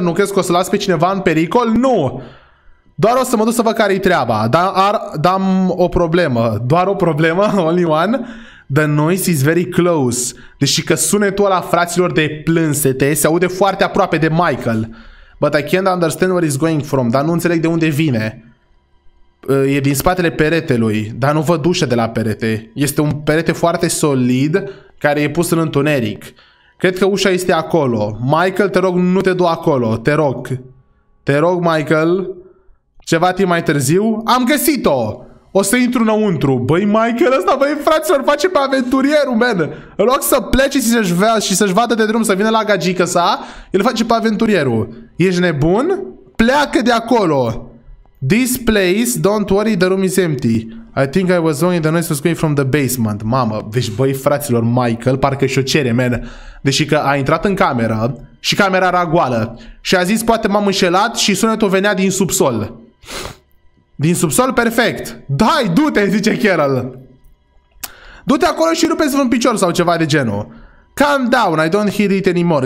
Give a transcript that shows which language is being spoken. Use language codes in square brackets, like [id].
[ro] Nu crezi că o să las pe cineva în pericol? Nu! Doar o să mă duc să văd care-i treaba. Dar am o problemă. Doar o problemă? [en] Only one? The noise is very close. [ro] Deși că sunetul ăla, fraților, de plânsete se aude foarte aproape de Michael. [en] But I can't understand where it's going from. [ro] Dar nu înțeleg de unde vine. E din spatele peretelui. Dar nu văd ușă de la perete. Este un perete foarte solid care e pus în întuneric. Cred că ușa este acolo. Michael, te rog, nu te du acolo. Te rog. Te rog, Michael. Ceva timp mai târziu. Am găsit-o. O să intru înăuntru. Băi, Michael, ăsta, băi, fraților, face pe aventurierul, man. În loc să plece și să-și vadă de drum, să vină la gagică sa, el face pe aventurierul. Ești nebun? Pleacă de acolo. [en] This place, don't worry, the room is empty. I think I was only the noise was going from the basement. [ro] Mamă, deci băi fraților, Michael, parcă și-o cere, man. Deși că a intrat în cameră și camera era goală. Și a zis, poate m-am înșelat și sunetul venea din subsol. Din subsol, perfect. Dai, du-te, zice Carol. Du-te acolo și rupe-ți vreun picior sau ceva de genul. [en] Calm down, I don't hear it anymore.